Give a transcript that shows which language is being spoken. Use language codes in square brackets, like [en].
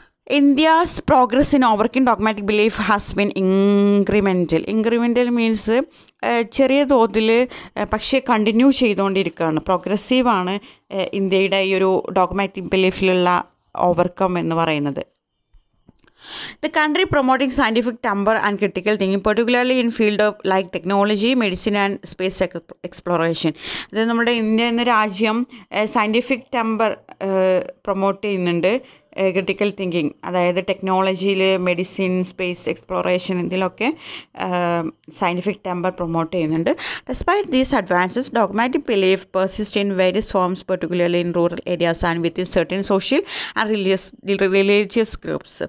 [en] India's progress in overcome dogmatic belief has been incremental. Incremental means [ml] ചെറിയ തോതിൽ പക്ഷേ continue ചെയ്തുകൊണ്ടിരിക്കുകയാണ്. പ്രോഗ്രസീവാണ് ഇന്ത്യയുടെ ഈ ഒരു ഡോഗ്മാറ്റിക് ബിലീഫിലുള്ള ഓവർകം എന്ന് പറയുന്നത്. [en] The country promoting scientific temper and critical thinking, particularly in field of like technology, medicine and space exploration. [ml] അത് നമ്മുടെ ഇന്ത്യ എന്ന രാജ്യം സയൻറ്റിഫിക് ടെമ്പർ പ്രൊമോട്ട് ചെയ്യുന്നുണ്ട്. ക്രിട്ടിക്കൽ തിങ്കിങ്, അതായത് ടെക്നോളജിയിൽ, മെഡിസിൻ, സ്പേസ് എക്സ്പ്ലോറേഷൻ ഇതിലൊക്കെ സയൻറ്റിഫിക് ടെമ്പർ പ്രൊമോട്ട് ചെയ്യുന്നുണ്ട്. [en] Despite these advances, dogmatic belief persist in various forms, particularly in rural areas and within certain social and religious groups.